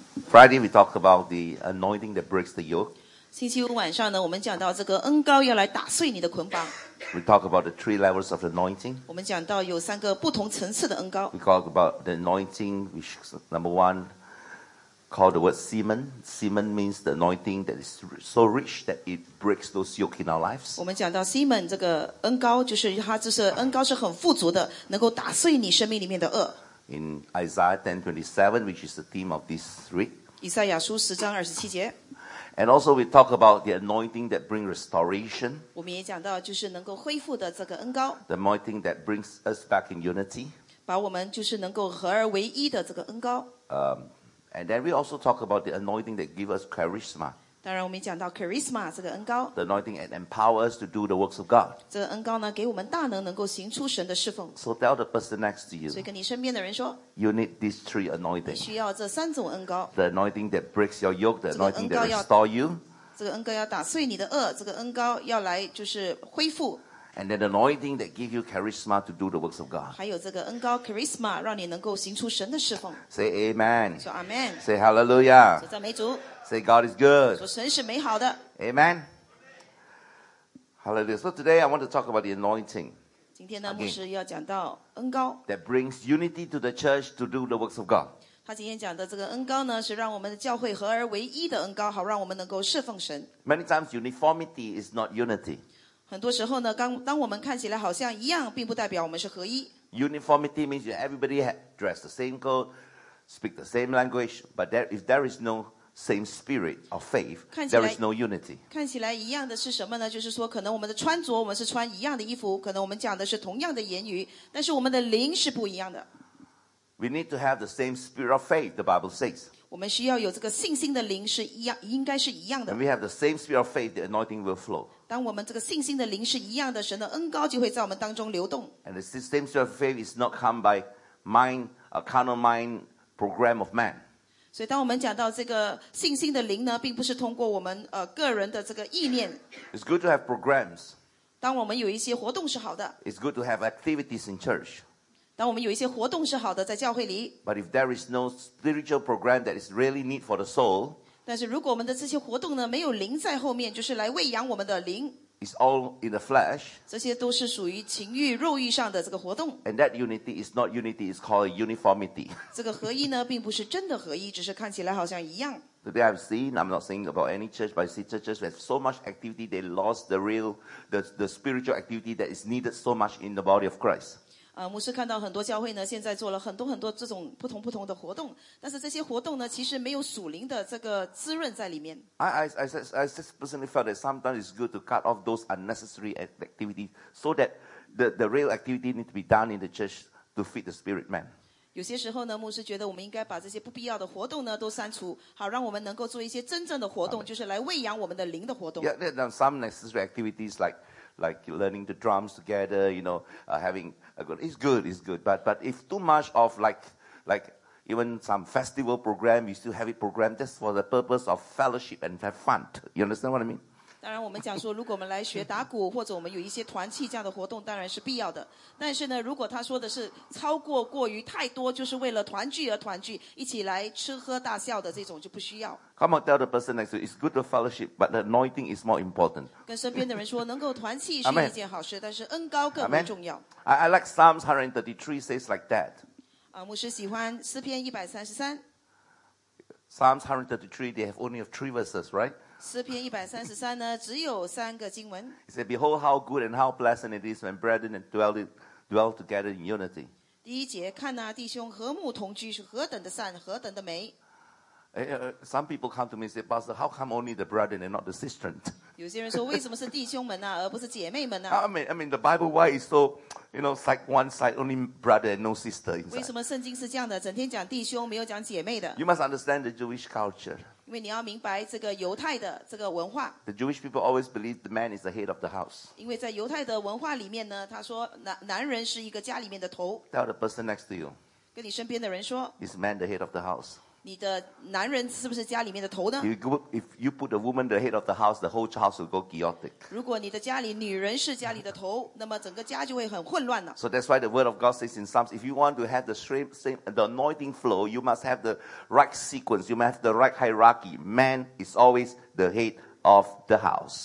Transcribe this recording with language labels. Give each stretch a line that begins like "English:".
English: Friday, we talked about the anointing that breaks the yoke.
Chinese: 星期五晚上呢，我们讲到这个恩膏要来打碎你的捆绑。
English: We talk about the three levels of anointing.
Chinese: 我们讲到有三个不同层次的恩膏。
English: We talk about the anointing, which is number one. Called the word semen. Semen means the anointing that is so rich that it breaks those yoke in our lives.
Chinese: 我们讲到 semen 这个恩膏，就是它就是恩膏是很富足的，能够打碎你生命里面的恶。
English: In Isaiah 10:27, which is the theme of this week.
Chinese: 以赛亚书十章二十七节。
English: And also we talk about the anointing that brings restoration.
Chinese: 我们也讲到就是能够恢复的这个恩膏。
English: The anointing that brings us back in unity.
Chinese: 把我们就是能够合而为一的这个恩膏。
English: And then we also talk about the anointing that gives us charisma.
Chinese: 当然我们讲到 charisma 这个恩膏。
English: The anointing that empowers us to do the works of God.
Chinese: 这个恩膏呢，给我们大能，能够行出神的侍奉。
English: So tell the person next to you.
Chinese: 所以跟你身边的人说。
English: You need these three anointings.
Chinese: 你需要这三种恩膏。
English: The anointing that breaks your yoke, the anointing that restores you.
Chinese: 这个恩膏要打碎你的轭，这个恩膏要来就是恢复。
English: And then the anointing that gives you charisma to do the works of God.
Chinese: 还有这个恩膏 charisma 让你能够行出神的侍奉。
English: Say amen.
Chinese: 说 amen.
English: Say hallelujah.
Chinese: 说赞美主。
English: Say God is good.
Chinese: 说神是美好的。
English: Amen. Hallelujah. So today I want to talk about the anointing.
Chinese: 今天呢，牧师要讲到恩膏。
English: That brings unity to the church to do the works of God.
Chinese: 他今天讲的这个恩膏呢，是让我们的教会合而为一的恩膏，好让我们能够侍奉神。
English: Many times uniformity is not unity.
Chinese: 很多时候呢，当我们看起来好像一样，并不代表我们是合一。
English: Uniformity means everybody dress the same code, speak the same language, but if there is no same spirit of faith, there is no unity.
Chinese: 看起来一样的是什么呢？就是说，可能我们的穿着，我们是穿一样的衣服，可能我们讲的是同样的言语，但是我们的灵是不一样的。
English: We need to have the same spirit of faith, the Bible says.
Chinese: 我们需要有这个信心的灵是一样，应该是一样的。
English: When we have the same spirit of faith, the anointing will flow.
Chinese: 当我们这个信心的灵是一样的，神的恩膏就会在我们当中流动。
English: And the same spirit of faith is not come by mind, a carnal mind program of man.
Chinese: 所以当我们讲到这个信心的灵呢，并不是通过我们个人的这个意念。
English: It's good to have programs.
Chinese: 当我们有一些活动是好的。
English: It's good to have activities in church.
Chinese: 当我们有一些活动是好的，在教会里。
English: But if there is no spiritual program that is really need for the soul,
Chinese: 但是如果我们的这些活动呢，没有灵在后面，就是来喂养我们的灵。
English: It's all in the flesh.
Chinese: 这些都是属于情欲、肉欲上的这个活动。
English: And that unity is not unity, it's called uniformity.
Chinese: 这个合一呢，并不是真的合一，只是看起来好像一样。
English: Today I've seen, I'm not saying about any church, but I see churches with so much activity, they lost the real, the spiritual activity that is needed so much in the body of Christ.
Chinese: 牧师看到很多教会呢，现在做了很多很多这种不同的活动，但是这些活动呢，其实没有属灵的这个滋润在里面。
English: I just personally felt that sometimes it's good to cut off those unnecessary activities so that the real activity need to be done in the church to feed the spirit man.
Chinese: 有些时候呢，牧师觉得我们应该把这些不必要的活动呢都删除，好让我们能够做一些真正的活动，就是来喂养我们的灵的活动。
English: Yeah, there are some necessary activities like learning the drums together, you know, having a good, it's good. But if too much of like even some festival program, you still have it programmed just for the purpose of fellowship and have fun. You understand what I mean?
Chinese: 当然我们讲说如果我们来学打鼓或者我们有一些团契这样的活动当然是必要的。但是呢如果他说的是超过于太多就是为了团聚而团聚一起来吃喝大笑的这种就不需要。
English: Come on, tell the person next to you, it's good to fellowship, but the anointing is more important.
Chinese: 跟身边的人说能够团契是一件好事但是恩膏更为重要。
English: I like Psalms 133 says like that.
Chinese: 牧师喜欢诗篇133。
English: Psalms 133, they have only of three verses, right?
Chinese: 诗篇一百三十三呢，只有三个经文。
English: He said, "Behold, how good and how pleasant it is when brethren dwell together in unity."
Chinese: 第一节，看那弟兄和睦同居是何等的善，何等的美。
English: Some people come to me and say, "Pastor, how come only the brethren and not the sisters?"
Chinese: 有些人说，为什么是弟兄们呢，而不是姐妹们呢？
English: I mean, the Bible, why is so, you know, like one side only brother and no sister inside?
Chinese: 为什么圣经是这样的，整天讲弟兄，没有讲姐妹的
English: ？You must understand the Jewish culture.
Chinese: 因为你要明白这个犹太的这个文化。
English: The Jewish people always believe the man is the head of the house.
Chinese: 因为在犹太的文化里面呢，他说男人是一个家里面的头。
English: Tell the person next to you.
Chinese: 跟你身边的人说。
English: Is man the head of the house?
Chinese: 你的男人是不是家里面的头呢
English: ？If you put a woman the head of the house, the whole house will go chaotic.
Chinese: 如果你的家里女人是家里的头，那么整个家就会很混乱了。
English: So that's why the word of God says in Psalms, if you want to have the anointing flow, you must have the right sequence, you must have the right hierarchy. Man is always the head of the house.